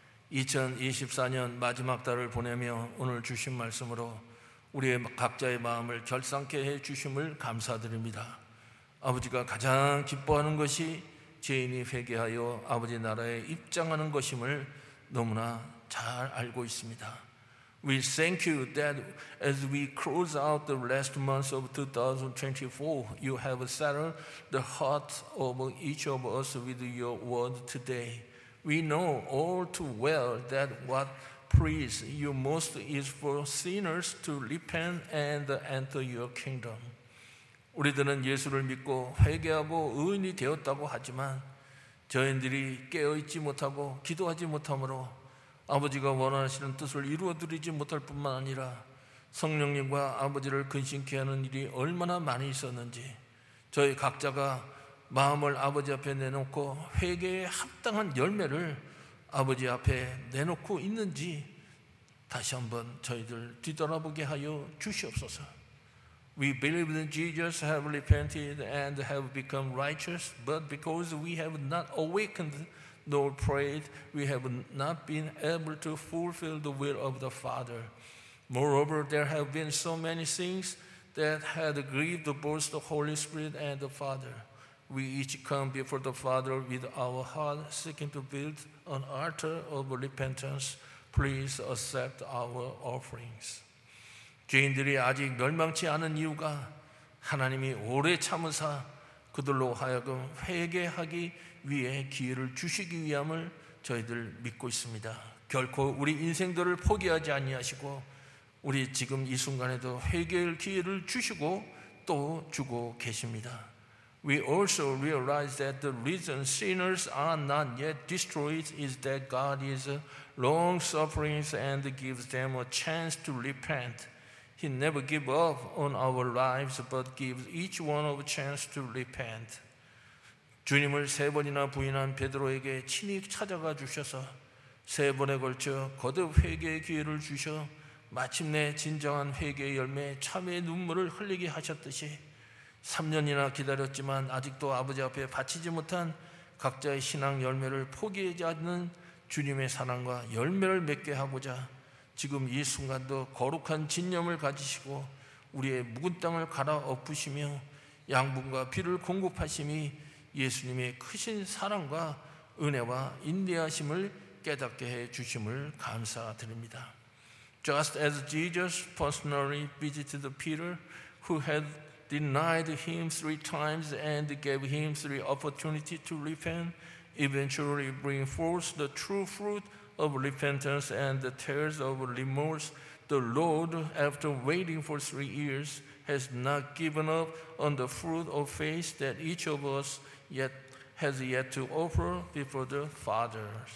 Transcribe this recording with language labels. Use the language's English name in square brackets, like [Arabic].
[Korean] 2024년 마지막 달을 보내며 오늘 주신 말씀으로 우리의 각자의 마음을 결상케 해 주심을 감사드립니다. 아버지가 가장 기뻐하는 것이 죄인이 회개하여 아버지 나라에 입장하는 것임을 너무나 잘 알고 있습니다. [English] We thank you that as we close out the last month of 2024, you have settled the hearts of each of us with your word today. We know all too well that what pleases you most is for sinners to repent and enter your kingdom. [Korean] 우리들은 예수를 믿고 회개하고 의인이 되었다고 하지만 저희들이 깨어있지 못하고 기도하지 못하므로 아버지가 원하시는 뜻을 이루어드리지 못할 뿐만 아니라 성령님과 아버지를 근심케 하는 일이 얼마나 많이 있었는지 저희 각자가 마음을 아버지 앞에 내놓고 회개에 합당한 열매를 아버지 앞에 내놓고 있는지 다시 한번 저희들 뒤돌아보게 하여 주시옵소서. [English] We believe that Jesus have repented and have become righteous, but because we have not awakened nor prayed, we have not been able to fulfill the will of the Father. Moreover, there have been so many things that had grieved both the Holy Spirit and the Father. We each come before the Father with our heart seeking to build an altar of repentance. Please accept our offerings. [Korean] 죄인들이 아직 멸망치 않은 이유가 하나님이 오래 참으사 그들로 하여금 회개하기 위해 기회를 주시기 위함을 저희들 믿고 있습니다. 결코 우리 인생들을 포기하지 아니하시고 우리 지금 이 순간에도 회개할 기회를 주시고 또 주고 계십니다. [English] We also realize that the reason sinners are not yet destroyed is that God is long-suffering and gives them a chance to repent. He never gives up on our lives but gives each one a chance to repent. [Korean] 주님을 세 번이나 부인한 베드로에게 친히 찾아가 주셔서 세 번에 걸쳐 거듭 회개의 기회를 주셔 마침내 진정한 회개의 열매, 참회의 눈물을 흘리게 하셨듯이 3년이나 기다렸지만 아직도 아버지 앞에 바치지 못한 각자의 신앙 열매를 포기하지 않는 주님의 사랑과 열매를 맺게 하고자 지금 이 순간도 거룩한 진념을 가지시고 우리의 묵은 땅을 갈아엎으시며 양분과 비를 공급하심이 예수님의 크신 사랑과 은혜와 인내하심을 깨닫게 해 주심을 감사드립니다. [English] Just as Jesus personally visited Peter, who had denied him three times and gave him three opportunities to repent, eventually bring forth the true fruit of repentance and the tears of remorse, the Lord, after waiting for 3 years, has not given up on the fruit of faith that each of us has yet to offer before the Father.